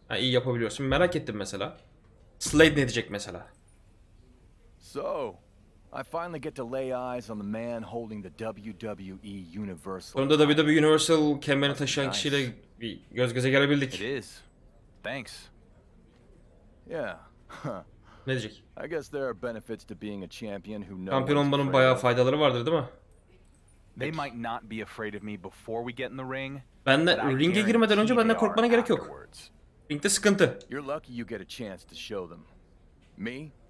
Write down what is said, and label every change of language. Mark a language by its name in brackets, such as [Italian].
[Turkish] Ha, iyi yapabiliyorsun. Merak ettim mesela. Slade ne diyecek mesela? [English] So, I finally get to lay eyes on the man holding the WWE Universal. [Turkish] Sonunda da WWE Universal kemerini taşıyan kişiyle bir göz göze gelebildik. [English] It is. Thanks. Yeah. [Turkish] Ne diyecek? [English] I guess there are benefits to being a champion who knows. [Turkish] Kampiyon olmanın bayağı faydaları vardır, değil mi? [English] They might not be afraid of me before we get in the ring. [Turkish] Bende ringe girmeden önce benden korkmana gerek yok. Ringde sıkıntı. [English] You're lucky you get a chance to show them. Me?